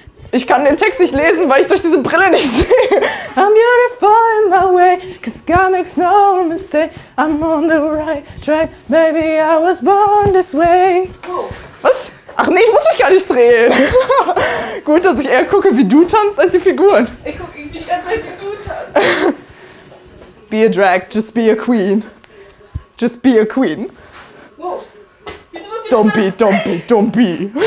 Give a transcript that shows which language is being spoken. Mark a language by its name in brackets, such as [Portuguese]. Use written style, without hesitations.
[German] Ich kann den Text nicht lesen, weil ich durch diese Brille nicht sehe. [English] I'm beautiful in my way, cause God makes no mistake. I'm on the right track, baby, I was born this way. [German] Was? Ach nee, ich muss mich gar nicht drehen. Gut, dass ich eher gucke, wie du tanzt, als die Figuren. Ich gucke irgendwie die ganze Zeit, wie du tanzt. [English] Be a drag, just be a queen. Just be a queen. Wow. Dumpy, dumpy, dumpy.